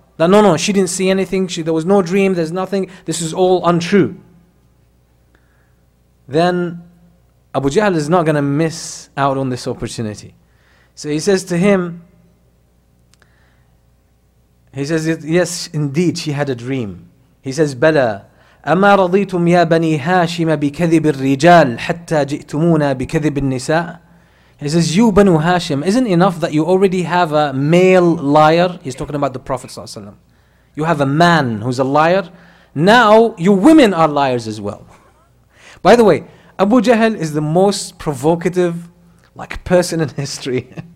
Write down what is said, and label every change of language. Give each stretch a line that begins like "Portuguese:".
English: That no, she didn't see anything. There was no dream. There's nothing. This is all untrue. Then Abu Jahl is not going to miss out on this opportunity. So he says to him, he says, yes, indeed, she had a dream. He says, Bala,
Arabic: أَمَا رَضِيْتُمْ يَا بَنِي هَاشِمَ بِكَذِبِ الرِّجَالِ حَتَّى جِئْتُمُونَ بِكَذِبِ النِّسَاءِ.
English: He says, you Banu Hashim, isn't enough that you already have a male liar? He's talking about the Prophet ﷺ. You have a man who's a liar. Now, you women are liars as well. By the way, Abu Jahl is the most provocative like person in history.